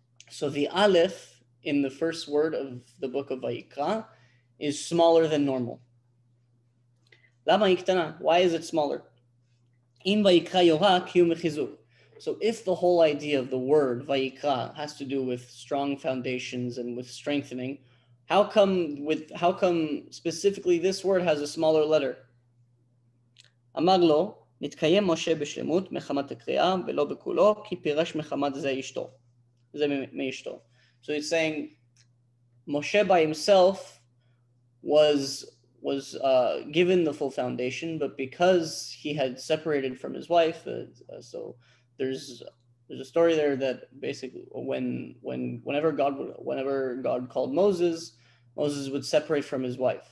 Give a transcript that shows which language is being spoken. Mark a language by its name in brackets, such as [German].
[English] So the Aleph in the first word of the book of Vayikra is smaller than normal. [Hebrew] Lama yiktana? [English] Why is it smaller? [Hebrew] Im Vayikra yora kiyum mechizuk. [English] So if the whole idea of the word Vayikra has to do with strong foundations and with strengthening, how come specifically this word has a smaller letter? [Hebrew] אמר לו, נתקיים משה בשלמות מחמת הקריאה ולא בכולו, כי פירש מחמת זה אשתו. זה מאשתו. [English] So it's saying, Moshe by himself was given the full foundation, but because he had separated from his wife, so there's a story there that basically whenever God called Moses, Moses would separate from his wife.